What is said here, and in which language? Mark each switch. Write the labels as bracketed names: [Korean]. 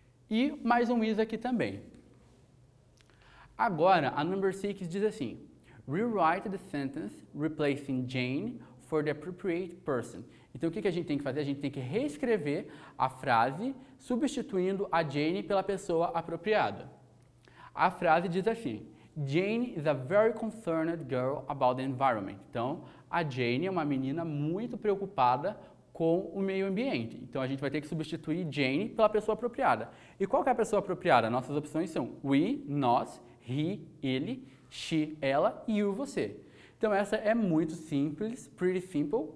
[Portuguese] E mais um is aqui também. Agora, a number 6 diz assim, [English] rewrite the sentence replacing Jane for the appropriate person. [Portuguese] Então, o que a gente tem que fazer? A gente tem que reescrever a frase substituindo a Jane pela pessoa apropriada. A frase diz assim, [English] Jane is a very concerned girl about the environment. [Portuguese] Então, a Jane é uma menina muito preocupada com o meio ambiente. Então, a gente vai ter que substituir Jane pela pessoa apropriada. E qual que é a pessoa apropriada? Nossas opções são we, nós, he, ele, she, ela, you, você. Então, essa é muito simples, [English] pretty simple.